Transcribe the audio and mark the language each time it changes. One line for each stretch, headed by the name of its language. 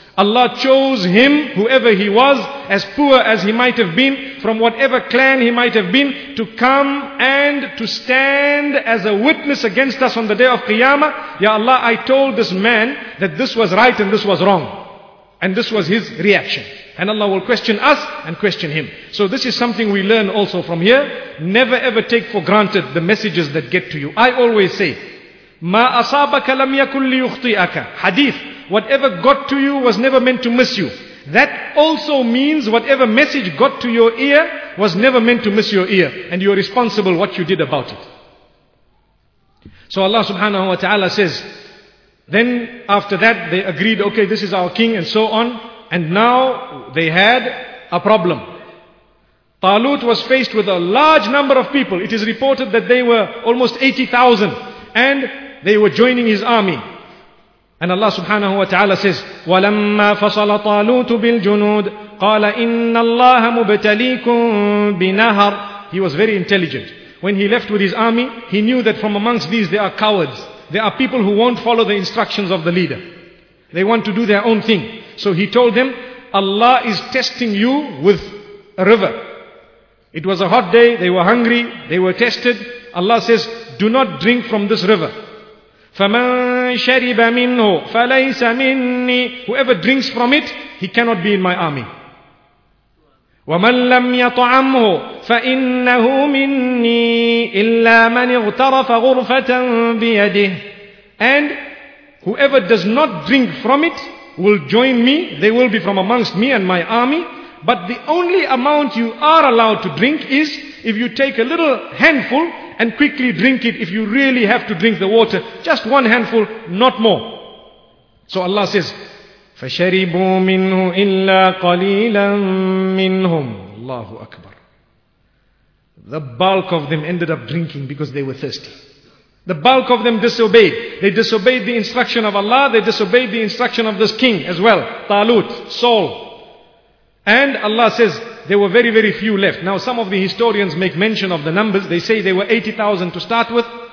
English: Allah chose him, whoever he was, as poor as he might have been, from whatever clan he might have been, to come and to stand as a witness against us on the day of Qiyamah. Ya Allah, I told this man that this was right and this was wrong. And this was his reaction. And Allah will question us and question him. So this is something we learn also from here. Never ever take for granted the messages that get to you. I always say,
Arabic: مَا أَصَابَكَ لَمْ يَكُنْ لِيُخْطِئَكَ.
English: Hadith. Whatever got to you was never meant to miss you. That also means whatever message got to your ear was never meant to miss your ear. And you are responsible what you did about it. So Allah subhanahu wa ta'ala says, then after that they agreed, okay, this is our king and so on. And now they had a problem. Talut was faced with a large number of people. It is reported that they were almost 80,000. And they were joining his army. And Allah subhanahu wa ta'ala says,
Arabic: وَلَمَّا فَصَلَ طَالُوتُ بِالْجُنُودِ قَالَ إِنَّ اللَّهَ مُبْتَلِيكُمْ بِنَهَرٍ.
English: He was very intelligent. When he left with his army, he knew that from amongst these there are cowards. There are people who won't follow the instructions of the leader. They want to do their own thing. So he told them, Allah is testing you with a river. It was a hot day, they were hungry, they were tested. Allah says, do not drink from this river.
Arabic: فَمَنْ شَرِبَ مِنْهُ فَلَيْسَ مِنِّي.
English: Whoever drinks from it, he cannot be in my army.
Arabic: وَمَنْ لَمْ يَطْعَمْهُ فَإِنَّهُ مِنِّي إِلَّا مَنْ اغْتَرَفَ غُرْفَةً بِيَدِهِ.
English: And whoever does not drink from it will join me. They will be from amongst me and my army. But the only amount you are allowed to drink is if you take a little handful and quickly drink it if you really have to drink the water. Just one handful, not more. So Allah says,
Arabic: فَشَرِبُوا مِنْهُ إِلَّا قَلِيلًا مِّنْهُمْ. Allahu Akbar.
English: The bulk of them ended up drinking because they were thirsty. The bulk of them disobeyed. They disobeyed the instruction of Allah. They disobeyed the instruction of this king as well. Talut, Saul. And Allah says, there were very, very few left. Now some of the historians make mention of the numbers. They say there were 80,000 to start with.